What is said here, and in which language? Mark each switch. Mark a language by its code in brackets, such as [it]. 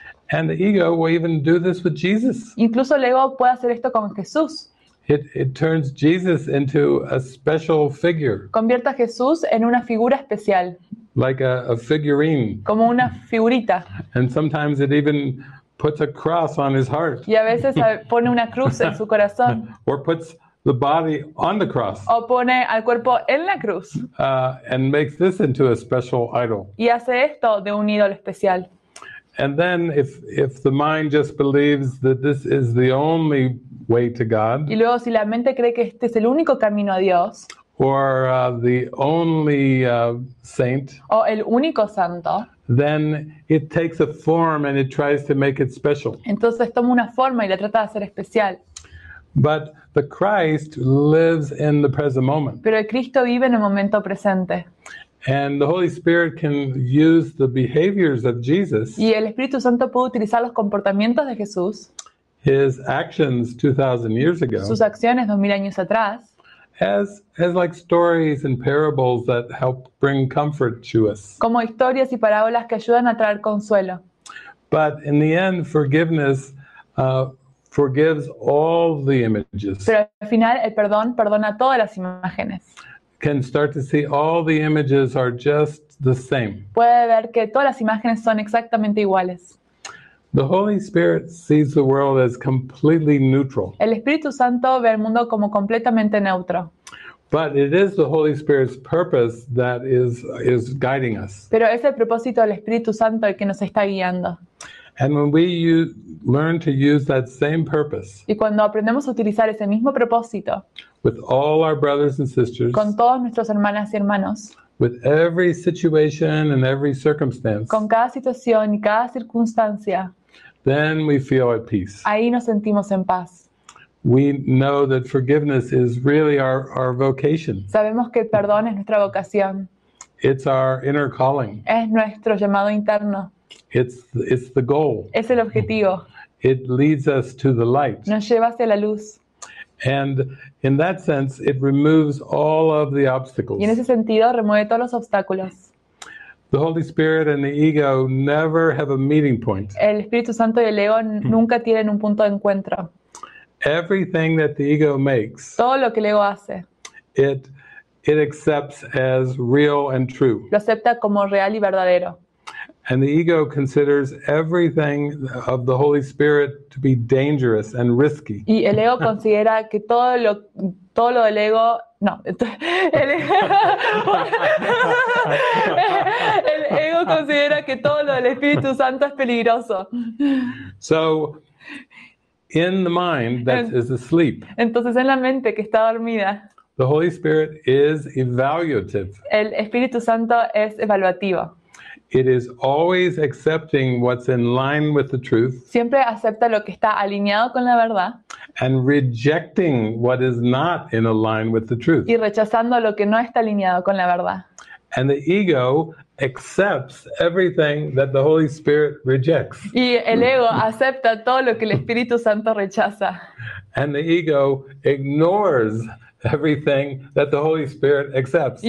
[en] And the ego will even do this with Jesus. [es] Incluso el ego puede hacer esto con Jesús. [en] It turns Jesus into a special figure. [es] Convierte a Jesús en una figura especial. [en] Like a figurine. [es] Como una figurita. [en] And sometimes it even puts a cross on his heart. [es] Y a veces pone una cruz en su corazón. [en] Or puts the body on the cross. [es] O pone al cuerpo en la cruz. [en] And makes this into a special idol. [es] Y hace esto de un ídolo especial. [en] And then if the mind just believes that this is the only way to God. [es] Y luego si la mente cree que este es el único camino a Dios. [en] Or the only saint. [es] O el único santo. [en] Then it takes a form and it tries to make it special. [es] Entonces toma una forma y la trata de hacer especial. [en] But the Christ lives in the present moment. [es] Pero el Cristo vive en el momento presente. [en] And the Holy Spirit can use the behaviors of Jesus. [es] Y el Espíritu Santo puede utilizar los comportamientos de Jesús. [en] His actions 2,000 years ago. [es] Sus acciones 2,000 años atrás. [en] As like stories and parables that help bring comfort to us. [es] Como historias y parábolas que ayudan a traer consuelo. [en] But in the end, forgiveness forgives all the images. [es] Pero al final, el perdón perdona todas las imágenes. [en] Can start to see all the images are just the same. [es] Puede ver que todas las imágenes son exactamente iguales. [en] The Holy Spirit sees the world as completely neutral. [es] El Espíritu Santo ve el mundo como completamente neutro. [en] But it is the Holy Spirit's purpose that is guiding us. [es] Pero es el propósito del Espíritu Santo el que nos está guiando. [en] And when we learn to use that same purpose. [es] Y cuando aprendemos a utilizar ese mismo propósito. [en] With all our brothers and sisters. [es] Con todos nuestros hermanas y hermanos. [en] With every situation and every circumstance. [es] Con cada situación y cada circunstancia. [en] Then we feel at peace. [es] Ahí nos sentimos en paz. [en] We know that forgiveness is really our vocation. [es] Sabemos que el perdón es nuestra vocación. [en] It's our inner calling. [es] Es nuestro llamado interno. [en] It's the goal. [es] Es el objetivo. [en] It leads us to the light. [es] Nos lleva hacia la luz. [en] And in that sense, it removes all of the obstacles. [es] Y en ese sentido, remueve todos los obstáculos. [en] The Holy Spirit and the ego never have a meeting point. [es] El Espíritu Santo y el ego nunca tienen un punto de encuentro. [en] Everything that the ego makes, [es] todo lo que el ego hace, [en] it accepts as real and true. [es] Lo acepta como real y verdadero. [en] And the ego considers everything of the Holy Spirit to be dangerous and risky. [es] Y el ego considera que todo lo del ego, no, el ego considera que todo lo del Espíritu Santo es peligroso. [en] So, in the mind that is asleep. [es] Entonces en la mente que está dormida. [en] The Holy Spirit is evaluative. [es] El Espíritu Santo es evaluativo. [en] It is always accepting what's in line with the truth. [es] Siempre acepta lo que está alineado con la verdad. [en] And rejecting what is not in line with the truth. [es] Y rechazando lo que no está alineado con la verdad. [en] And the ego accepts everything that the Holy Spirit rejects. [es] Y el ego acepta todo lo que el Espíritu Santo rechaza. [en] And the ego ignores everything that the Holy Spirit accepts.